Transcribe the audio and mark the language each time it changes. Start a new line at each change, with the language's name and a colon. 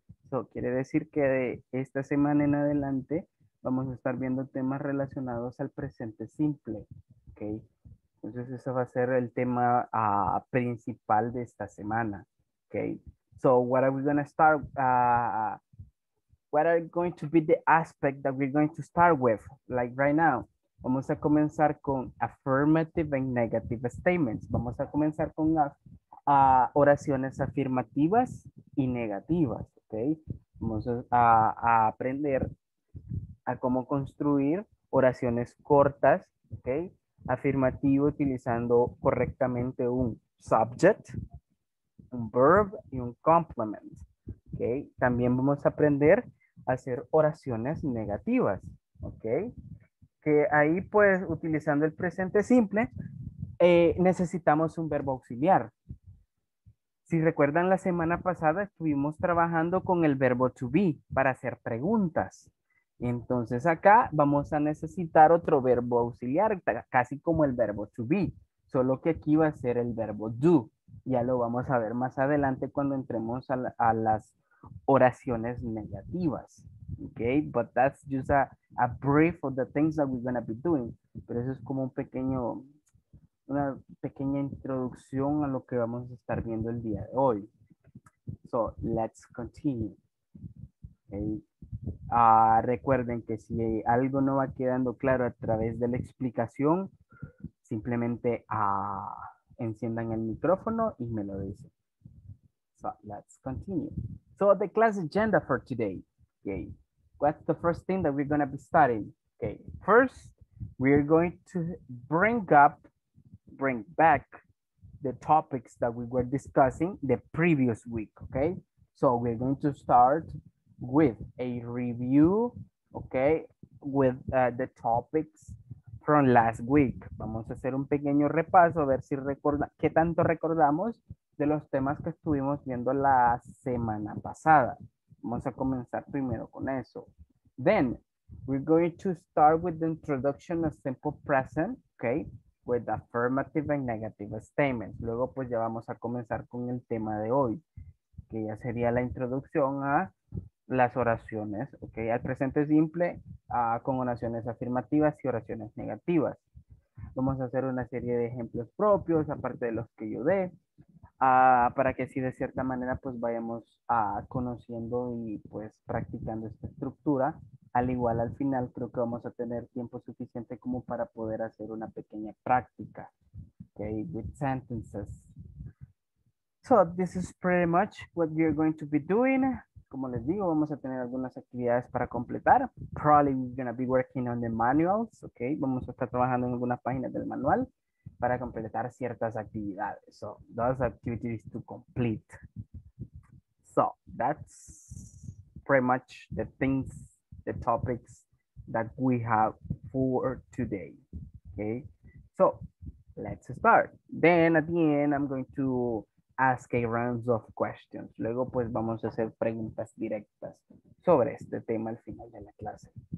Spanish: So, quiere decir que de esta semana en adelante vamos a estar viendo temas relacionados al presente simple, ¿ok? Entonces, eso va a ser el tema principal de esta semana, ¿ok?
English: So, what are we going to start? What are going to be the aspect that we're going to start with, like right now?
Spanish: Vamos a comenzar con
English: affirmative and negative statements.
Spanish: Vamos a comenzar con oraciones afirmativas y negativas, ¿ok? Vamos a aprender a cómo construir oraciones cortas, ¿ok? Afirmativo utilizando correctamente un subject, un verb y un complement, ¿ok? También vamos a aprender a hacer oraciones negativas, ¿ok? Que ahí, pues, utilizando el presente simple, necesitamos un verbo auxiliar. Si recuerdan, la semana pasada estuvimos trabajando con el verbo to be para hacer preguntas. Entonces, acá vamos a necesitar otro verbo auxiliar, casi como el verbo to be, solo que aquí va a ser el verbo do. Ya lo vamos a ver más adelante cuando entremos a las oraciones negativas.
English: Okay, but that's just a brief of the things that we're going to be doing.
Spanish: Pero eso es como un pequeño, una pequeña introducción a lo que vamos a estar viendo el día de hoy.
English: So, let's continue.
Spanish: Okay. Recuerden que si algo no va quedando claro a través de la explicación, simplemente enciendan el micrófono y me lo dicen.
English: So, let's continue. So, the class agenda for today. Okay. what's the first thing that we're going to be studying? Okay, first, we're going to bring back the topics that we were discussing the previous week, okay? So we're going to start with a review, okay, with the topics from last week.
Spanish: Vamos a hacer un pequeño repaso, a ver si qué tanto recordamos de los temas que estuvimos viendo la semana pasada. Vamos a comenzar primero con eso.
English: Then, we're going to start with the introduction of simple present, okay, with affirmative and negative statements.
Spanish: Luego, pues ya vamos a comenzar con el tema de hoy, que ya sería la introducción a las oraciones, ok, al presente simple, con oraciones afirmativas y oraciones negativas. Vamos a hacer una serie de ejemplos propios, aparte de los que yo dé, para que así de cierta manera pues vayamos conociendo y pues practicando esta estructura. Al igual al final creo que vamos a tener tiempo suficiente como para poder hacer una pequeña práctica, ok,
English: with sentences. So this is pretty much what we're going to be doing.
Spanish: Como les digo, vamos a tener algunas actividades para completar.
English: Probably we're going to be working on the manuals, ok.
Spanish: Vamos a estar trabajando en algunas páginas del manual para completar ciertas actividades.
English: So, those activities to complete. So, that's pretty much the things, the topics that we have for today, ok. So, let's start. Then, at the end, I'm going to ask a round of questions.
Spanish: Luego, pues, vamos a hacer preguntas directas sobre este tema al final de la clase.